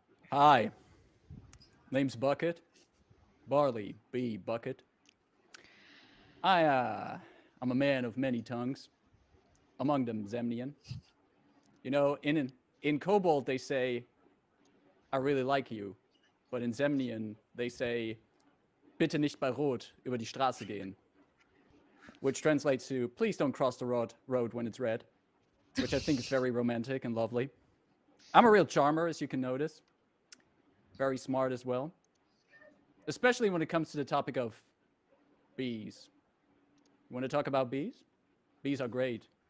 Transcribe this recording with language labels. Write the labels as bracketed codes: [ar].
[en] Hi. Name's Bucket. Barley B. Bucket. I'm a man of many tongues. Among them, Zemnian. You know, in Kobold, they say, I really like you. But in Zemnian, they say, [de] bitte nicht bei Rot über die Straße gehen. [en] Which translates to, please don't cross the road when it's red. Which I think is very romantic and lovely. I'm a real charmer, as you can notice. Very smart as well. Especially when it comes to the topic of bees. You want to talk about bees? Bees are great.